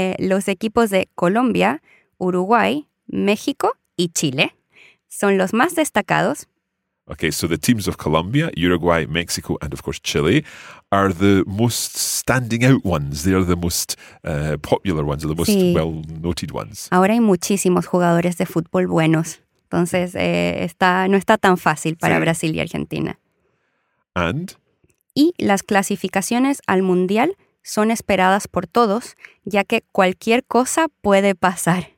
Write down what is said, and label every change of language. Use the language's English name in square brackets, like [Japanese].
[Spanish] Los equipos de Colombia, Uruguay, México y Chile son los más destacados. [English] Okay, so the teams of Colombia, Uruguay, Mexico, and of course Chile are the most standing out ones. They are the most popular ones, the most sí. well-noted ones. [Spanish] Ahora hay muchísimos jugadores de fútbol buenos. Entonces, no está tan fácil para sí. Brasil y Argentina. [English] And? [Spanish] Y las clasificaciones al Mundial son esperadas por todos, ya que cualquier cosa puede pasar.